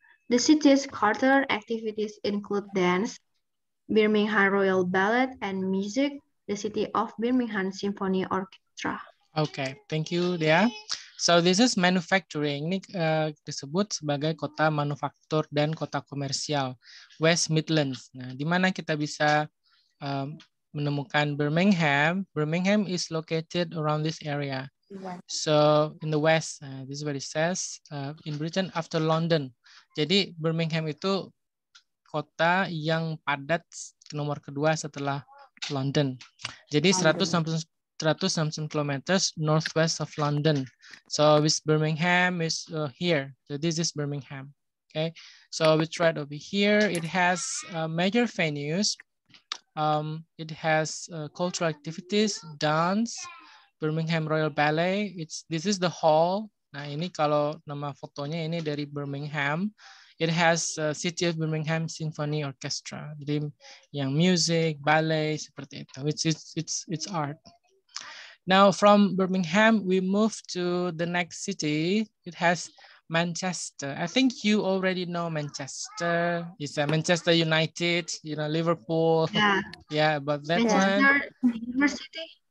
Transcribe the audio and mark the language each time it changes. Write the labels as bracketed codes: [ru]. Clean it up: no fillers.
[en] The city's cultural activities include dance, Birmingham Royal Ballet, and music, the City of Birmingham Symphony Orchestra. Okay, thank you, Dea. So this is manufacturing, [id] ini disebut sebagai kota manufaktur dan kota komersial, West Midlands. Nah, di mana kita bisa menemukan Birmingham? [en] Birmingham is located around this area. So in the West, this is what it says, in Britain after London. [id] Jadi Birmingham itu kota yang padat nomor kedua setelah London. [en] Jadi 169 kilometers northwest of London. So this Birmingham is here. So this is Birmingham. Okay. So we tried over here. It has major venues. It has cultural activities, dance, Birmingham Royal Ballet. This is the hall. [id] Nah, ini kalau nama fotonya ini dari Birmingham. [en] It has City of Birmingham Symphony Orchestra. [id] Jadi yang music, ballet seperti itu. [en] It's art. Now from Birmingham, we move to the next city. It has Manchester. I think you already know Manchester. It's Manchester United, you know, Liverpool. Yeah. Yeah, but that Manchester one. University.